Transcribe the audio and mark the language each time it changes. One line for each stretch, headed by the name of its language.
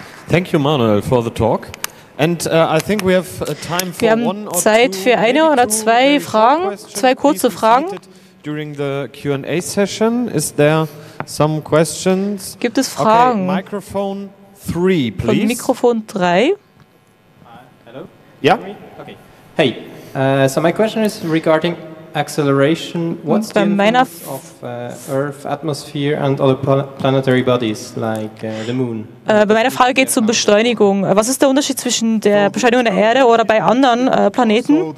English: Thank you, Manuel, for the talk. And I think we have time for one or
German: Zeit
English: two,
German: für eine oder zwei Fragen, zwei kurze Fragen.
English: During the Q&A session, is there some questions?
German: Gibt es Fragen?
English: Okay, microphone 3, please.
German: Von Mikrofon 3.
English: Hello? Yeah. Okay. Hey, so my question is regarding acceleration. What's the influence of Earth atmosphere and other planetary bodies like the Moon?
German: Bei meiner Frage geht es um Beschleunigung. Was ist der Unterschied zwischen der Beschleunigung der Erde oder bei anderen Planeten?